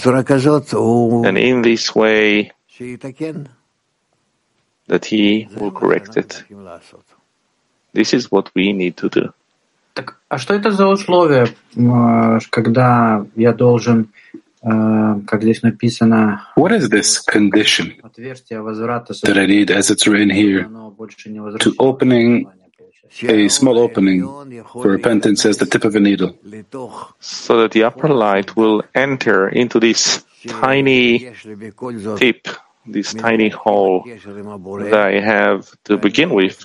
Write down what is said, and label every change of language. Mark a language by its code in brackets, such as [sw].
[en] And in this way, that He will correct it. This is what we need to do. [ru] Так, а что это за условия, когда я должен, как здесь написано? [en] What is this condition that I need, as it's written here, to opening a small opening for repentance as the tip of a needle, so that the upper light will enter into this tiny tip, this tiny hole that I have to begin with?